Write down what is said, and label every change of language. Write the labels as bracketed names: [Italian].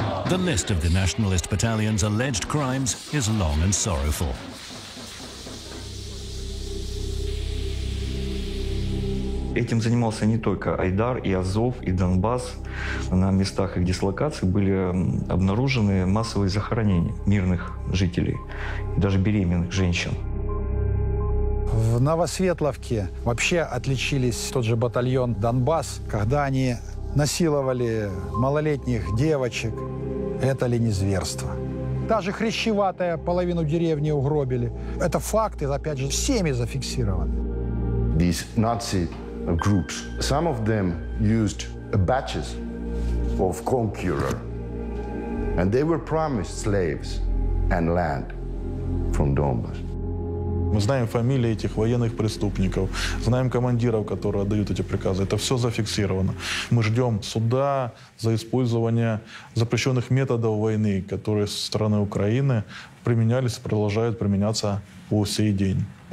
[English] The list of the Nationalist Battalion's alleged crimes is long and sorrowful. [Russian] Этим занимался не только Айдар, и Азов, и Донбасс. На местах их дислокации были обнаружены массовые захоронения мирных жителей, даже беременных женщин. В Новосветловке вообще отличились тот же батальон «Донбасс», когда они насиловали малолетних девочек. Это ли не зверство? Даже Хрящеватая половину деревни угробили. Это факты, опять же, всеми зафиксированы. [English] These Nazi groups, some of them used batches of conqueror, and they were promised slaves and land from Donbass. [Russian] Мы знаем фамилии этих военных преступников, знаем командиров, которые отдают эти приказы. Это все зафиксировано. Мы ждем суда за использование запрещенных методов войны, которые со стороны Украины применялись и продолжают применяться по сей день.